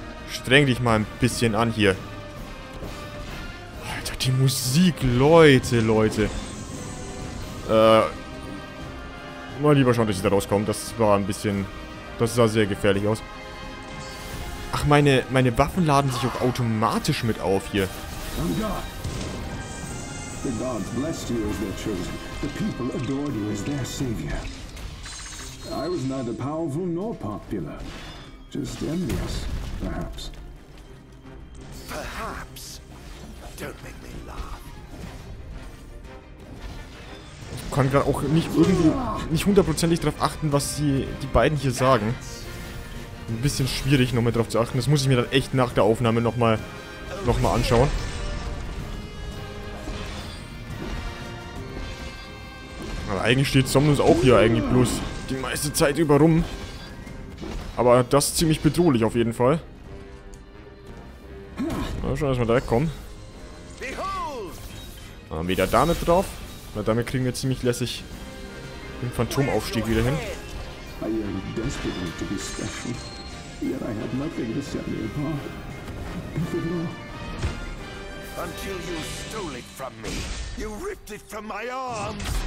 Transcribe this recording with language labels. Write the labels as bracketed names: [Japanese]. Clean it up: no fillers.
[German] Streng dich mal ein bisschen an hier. Alter, die Musik, Leute. Mal lieber schauen, dass ich da rauskomme. Das war ein bisschen... Das sah sehr gefährlich aus. Ach, meine Waffen laden sich auch automatisch mit auf hier. [English] The gods blessed you as their chosen. The people adored you as their savior. I was neither powerful nor popular. Just envious, perhaps. Perhaps? Don't make me laugh. [German] Ich kann gerade auch nicht irgendwie, nicht hundertprozentig darauf achten, was die beiden hier sagen. Ein bisschen schwierig, noch mal darauf zu achten. Das muss ich mir dann echt nach der Aufnahme noch mal anschauen. Eigentlich steht Somnus auch hier eigentlich bloß die meiste Zeit über rum. Aber das ist ziemlich bedrohlich auf jeden Fall. Mal schauen, dass wir da wegkommen. Und wieder damit drauf. Na, damit kriegen wir ziemlich lässig den Phantomaufstieg wieder hin. [English] I am desperate to be special. Yet I have nothing to set me apart. piece of law. Until you stole it from me. You ripped it from my arms.